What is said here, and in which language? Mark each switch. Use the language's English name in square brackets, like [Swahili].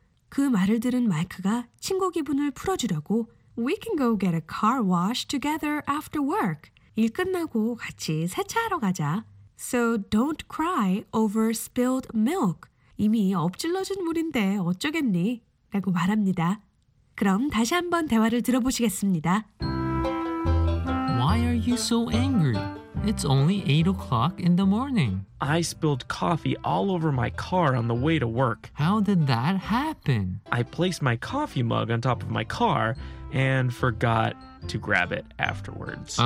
[Korean] 그 말을 들은 마이크가 친구 기분을 풀어주려고 [English] We can go get a car wash together after work. [Korean] 일 끝나고 같이 세차하러 가자. [English] So don't cry over spilled milk. [Korean] 이미 엎질러진 물인데 어쩌겠니? 라고 말합니다. 그럼 다시 한번 대화를 들어보시겠습니다. [English] Why are you so angry? It's only 8 o'clock in the morning. I spilled coffee all over my car on the way to work. How did that happen? I placed my coffee mug on top of my car and forgot to grab it afterwards.